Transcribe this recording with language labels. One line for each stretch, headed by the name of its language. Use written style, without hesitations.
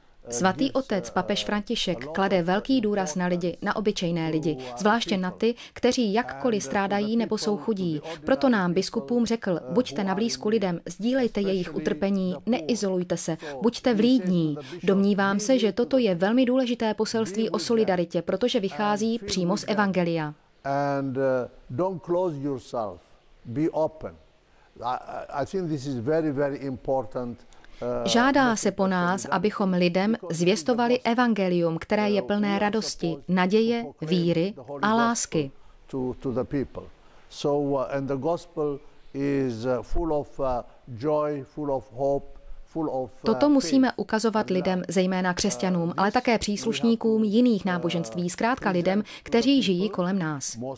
Czech: Svatý otec papež František klade velký důraz na lidi, na obyčejné lidi, zvláště na ty, kteří jakkoliv strádají nebo jsou chudí. Proto nám biskupům řekl, buďte nablízku lidem, sdílejte jejich utrpení, neizolujte se, buďte vlídní. Domnívám se, že toto je velmi důležité poselství o solidaritě, protože vychází přímo z evangelia.
English: Don't close yourself. Be open. I think this is very, very important.
Czech: Žádá se po nás, abychom lidem zvěstovali evangelium, které je plné radosti, naděje, víry a lásky.
English: To the people. So and the gospel is full of joy, full of hope.
Czech: Toto musíme ukazovat lidem, zejména křesťanům, ale také příslušníkům jiných náboženství, zkrátka lidem, kteří žijí kolem nás.